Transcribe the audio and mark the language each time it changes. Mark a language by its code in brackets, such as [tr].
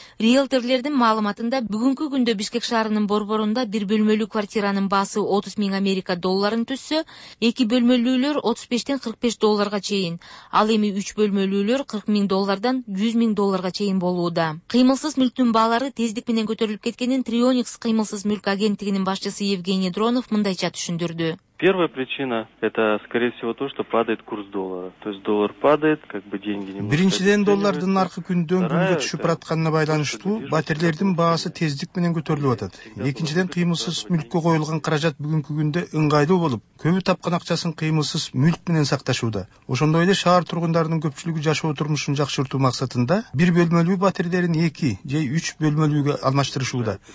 [ky] Риэлторлордун маалыматында бүгүнкү күндө Бишкек шаарынын борборунда бир бөлмөлүү квартиранын баасы 30 000 Америка долларын түссө, эки бөлмөлүүлөр 35-тен 45 долларга чейин, ал эми 3 бөлмөлүүлөр 40 000 доллардан 100 000 долларга чейин болууда. Кыймылсыз мүлктүн баалары тездик менен көтөрүлүп кеткенин Trionix кыймылсыз мүлк агенттигинин башчысы Евгений Дронов мындайча түшүндүрдү. [ru] Первая причина это, скорее всего, то, что падает курс доллара. То есть доллар падает, как бы деньги не могут. [ky] Биринчиден доллардын наркы күндөн күнгө түшүп баратканына байланыштуу батирлердин баасы тездик менен көтөрүлүп атат. Экинчиден кыймылсыз мүлккө коюлган каражат бүгүнкү күндө ыңгайлуу болуп, көбү тапкан акчасын кыймылсыз мүлк менен сакташууда. Ошондой эле шаар тургундарынын көпчүлүгү жашоо турмушун жакшыртуу максатында бир бөлмөлүү батирлерин 2 же 3 бөлмөлүүгө алмаштырышууда.